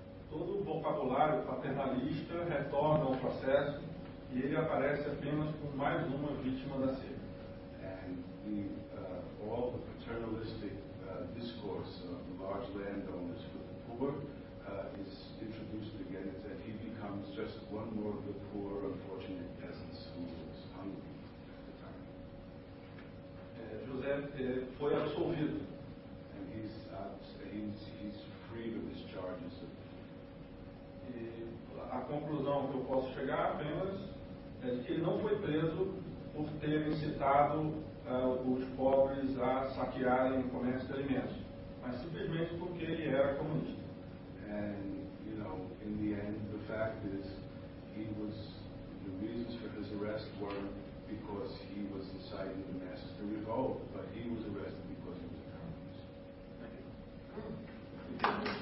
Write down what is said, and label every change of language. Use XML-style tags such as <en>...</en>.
<pt>Todo o vocabulário paternalista retorna ao processo e ele aparece apenas como mais uma vítima da seca.</pt> <en>And the, all the paternalistic discourse of the large landowners for the poor is introduced again, is that he becomes just one more of the poor, unfortunate peasants who was hungry at the time.</en> <pt>José foi absolvido.</pt> <en>And he's freed of his charges.</en> <pt>E a conclusão que eu posso chegar apenas é que ele não foi preso por ter incitado os pobres a saquearem o comércio de alimentos, mas simplesmente porque ele era comunista.</pt> <en>And, you know, in the end, the fact is, the reasons for his arrest weren't because he was inciting the masses to revolt, but he was arrested because he was a communist.</en>